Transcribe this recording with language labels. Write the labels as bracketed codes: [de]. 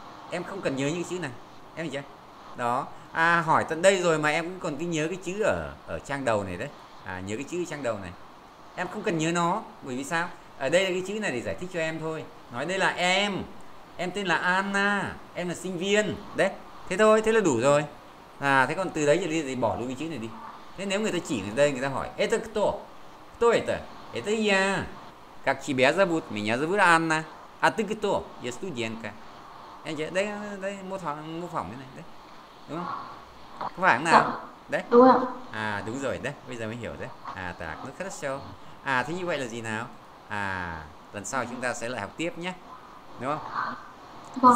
[vi] Em không cần nhớ những cái chữ này. Em hiểu chưa? Đó à, hỏi tận đây rồi mà em cũng còn cứ nhớ cái chữ ở ở trang đầu này đấy à, nhớ cái chữ ở trang đầu này em không cần nhớ nó, bởi vì sao ở đây là cái chữ này để giải thích cho em thôi, nói đây là em tên là Anna, em là sinh viên đấy, thế thôi, thế là đủ rồi à, thế còn từ đấy trở đi thì bỏ luôn cái chữ này đi. Thế nếu người ta chỉ ở đây, người ta hỏi [ru] это кто, кто это, это я, как тебя зовут, меня зовут Anna, а ты кто, я студентка. [vi] Em chưa, đây đây mô phỏng thế này đấy. Đúng không? Có phải không nào? Đấy. Đúng rồi. À đúng rồi đấy. Bây giờ mới hiểu đấy. À tạc nó khá là sâu. À thế như vậy là gì nào? À lần sau chúng ta sẽ lại học tiếp nhé. Đúng không? Vâng.